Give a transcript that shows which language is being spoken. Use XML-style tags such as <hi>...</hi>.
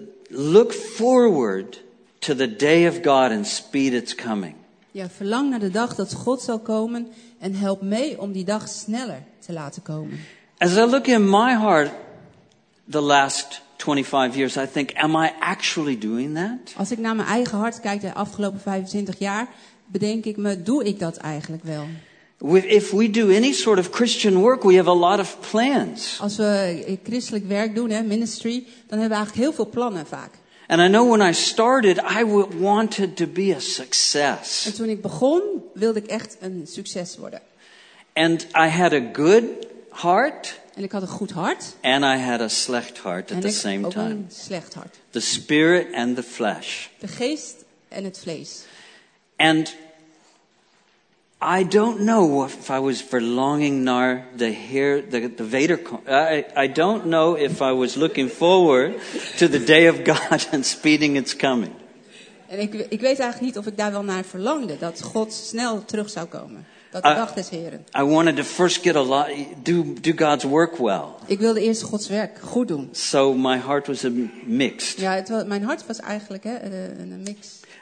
<en>look forward to the day of God and speed its coming.</en> <nl>Ja, verlang naar de dag dat God zal komen en help mee om die dag sneller te laten komen.</nl> <en>As I look in my heart the last 25 years, I think, am I actually doing that?</en> <nl>Als ik naar mijn eigen hart kijk de afgelopen 25 jaar, bedenk ik me, doe ik dat eigenlijk wel?</nl> <en>If we do any sort of Christian work, we have a lot of plans.</en> <nl>Als we christelijk werk doen, hè, ministry, dan hebben we eigenlijk heel veel plannen vaak.</nl> <en>And I know when I started, I wanted to be a success.</en> <nl>En toen ik begon, wilde ik echt een succes worden.</nl> <en>And I had a good heart.</en> <nl>En ik had een goed hart.</nl> <en>And I had a</en> <nl>slecht</nl> <en>heart at the same time.</en> <nl>En ik had ook een slecht hart.</nl> <en>The spirit and the flesh.</en> <nl>De geest en het vlees.</nl> <en>And I don't know if I was</en> <nl>verlanging naar</nl> <en>the</en> <nl>Vader.</nl> <en>I don't know if I was looking forward to the day of God and speeding its coming.</en> <nl>En ik weet eigenlijk niet of ik daar wel naar verlangde dat God snel terug zou komen. Dat de dag des Heren.</nl> <en>I wanted to first get a lot, do God's work well.</en> <nl>Ik wilde eerst Gods werk goed doen.</nl> <en>So my heart was a mixed.</en> <nl>Ja, mijn hart was eigenlijk een mix.</nl>